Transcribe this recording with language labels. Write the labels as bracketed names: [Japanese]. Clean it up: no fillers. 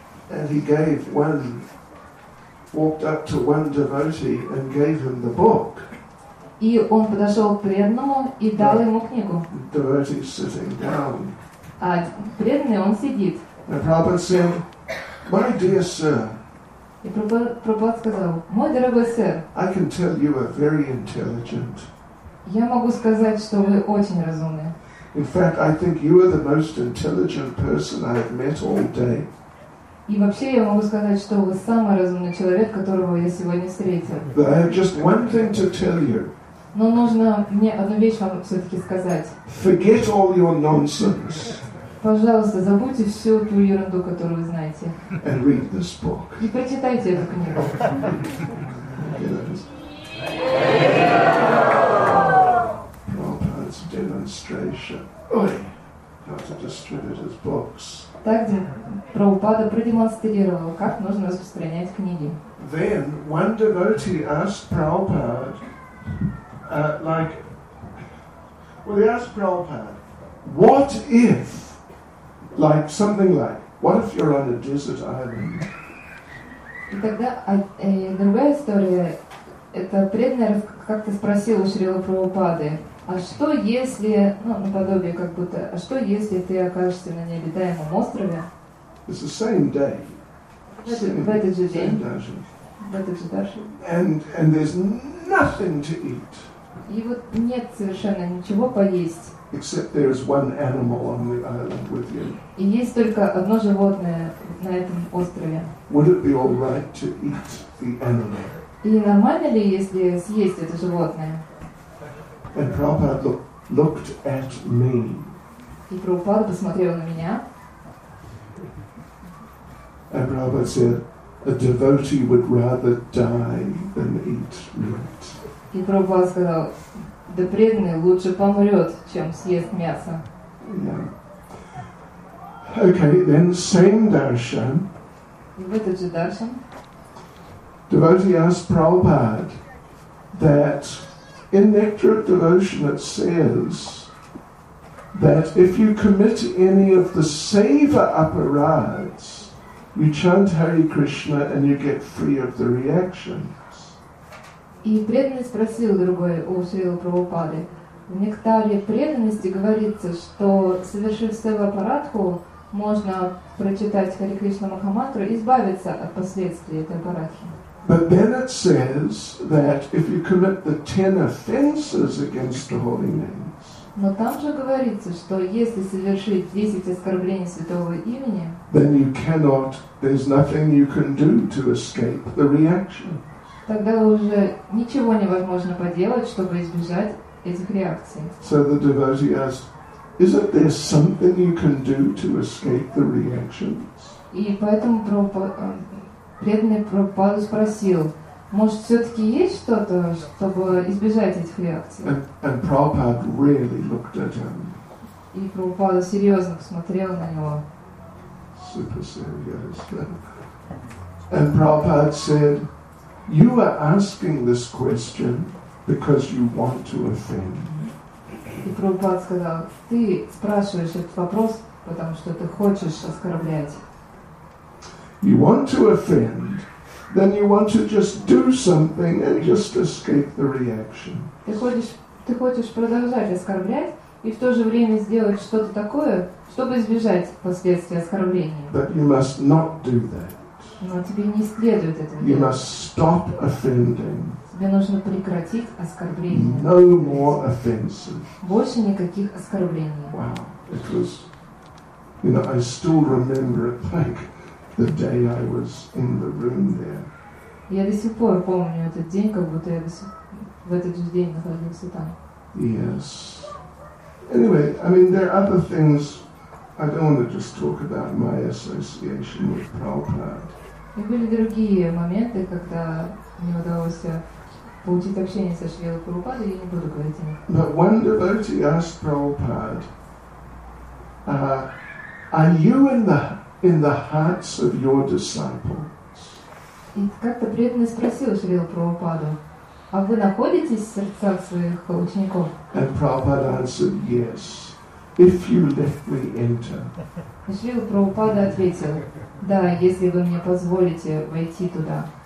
[English] And he gave one, walked up to one devotee and gave him the book. [Russian] И он подошел к преданному и дал ему книгу. [English] Devotee sitting down. [Russian] А преданный он сидит. [English] And Prabhupada said, my dear sir. [Russian] И Прабхупада сказал, мой дорогой сэр, [English] I can tell you are very intelligent. [Russian] Я могу сказать, что вы очень разумны. [English] In fact, I think you are the most intelligent person I have met all day. [Russian] И вообще я могу сказать, что вы самый разумный человек, которого я сегодня встретил. [English] But I have just one thing to tell you. [Russian] Но нужно мне одну вещь вам все-таки сказать. [English] Forget all your nonsense. [Russian] Пожалуйста, забудьте всю ту ерунду, которую вы знаете. [English] And read this book. [Russian] И прочитайте эту книгу. [English] Prabhupada's demonstration. How to distribute his books. [Russian] Так Прабхупада продемонстрировал, как нужно распространять книги. [English] Then one devotee asked Prabhupada, he asked Prabhupada, what if what if you're on a desert island? [Russian] И тогда другая история. Это преданный как-то спросил у Шрилы Прабхупады, а что если, наподобие как будто, а что если ты окажешься на необитаемом острове? [English] It's the same day. [Russian] В этот же день. В этот же даршан. [English] And there's nothing to eat. [Russian] И вот нет совершенно ничего поесть. [English] Except there is one animal on the island with you. [Russian] И есть только одно животное на этом острове. [English] Would it be all right to eat the animal? [Russian] И нормально ли, если съесть это животное? [English] And Prabhupada looked at me. [Russian] И Прабхупада посмотрел на меня. [English] And Prabhupada said, a devotee would rather die than eat meat. [Russian] И Прабхупада сказал, да преданный лучше помрет, чем съест мясо. [English] Yeah. Okay, then same darshan. [Russian] В этот же darshan. [English] Devotee asked Prabhupada that in Nectar of Devotion it says that if you commit any of the seva aparads, you chant Hare Krishna and you get free of the reaction. [Russian] И преданный спросил другой у Шрилы Прабхупады. В нектаре преданности говорится, что совершив сева-парадху, можно прочитать Хари Кришна Махамантру и избавиться от последствий этой парадхи. [English] But then it says that if you commit the 10 offenses against the holy names, [Russian] но там же говорится, что если совершить 10 оскорблений святого имени, [English] then you cannot, there's nothing you can do to escape the reaction. [Russian] Тогда уже ничего невозможно поделать, чтобы избежать этих реакций. [English] So the devotee asked, isn't there something you can do to escape the reactions? [Russian] И поэтому преданный Прабхупада спросил, может, все-таки есть что-то, чтобы избежать этих реакций? [English] And Prabhupada really looked at him. [Russian] И Прабхупада серьезно посмотрел на него. [English] Super serious. And Prabhupada said, you are asking this question because you want to offend. [Russian] И Прабхупада сказал, ты спрашиваешь этот вопрос, потому что ты хочешь оскорблять. [English] You want to offend, then you want to just do something and just escape the reaction. [Russian] Ты хочешь продолжать оскорблять и в то же время сделать что-то такое, чтобы избежать последствий оскорбления. [English] But you must not do that. [Russian] Но тебе не следует этого делать. [English] You must stop offending. [Russian] Тебе нужно прекратить оскорбление. [English] No more offenses. [Russian] Больше никаких оскорблений. [English] Wow, it was, you know, I still remember it like the day I was in the room there. [Russian] Я до сих пор помню этот день, как будто я в этот же день находился там. [English] Yes. Anyway, I mean, there are other things. I don't want to just talk about my association with Prabhupada. [Russian] И были другие моменты, когда мне удалось получить общение со Шрилой Прабхупадой, я не буду говорить о них. [English] But one devotee asked Prabhupada, are you in the hearts of your disciples? [Russian] И как-то преданный спросил Шрилу Прабхупаду, а вы находитесь в сердцах своих учеников? [English] And Prabhupada answered, yes. If you let me enter. [Russian] Шрила Прабхупада ответил, да, если вы мне позволите войти туда.